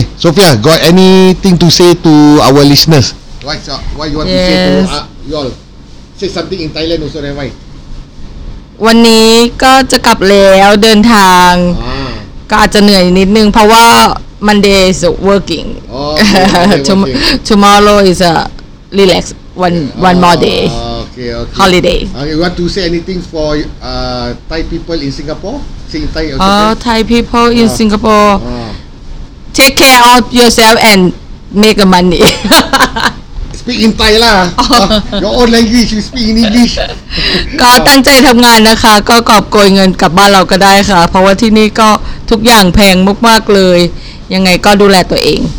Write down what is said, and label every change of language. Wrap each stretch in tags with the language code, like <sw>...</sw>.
<en>Sophia, got anything to say to our listeners? What you want to say to you all? Say something in Thailand also,</en> <th>วันนี้ก็จะกลับแล้วเดินทางก็อาจจะเหนื่อยนิดนึงเพราะว่า</th> <en>Monday is working. Tomorrow is a relax one more day. Okay. Holiday. Okay, want to say anything for Thai people in Singapore? Say in Thai. Thai people in Singapore. Take care of yourself and make a money. Speak in Thai lah. Your own language, you speak in English.</en> <th>ก็ตั้งใจทำงานนะคะก็กอบโกยเงินกลับบ้านเราก็ได้ค่ะเพราะว่าที่นี่ก็ทุกอย่างแพงมากๆเลยยังไงก็ดูแลตัวเอง</th>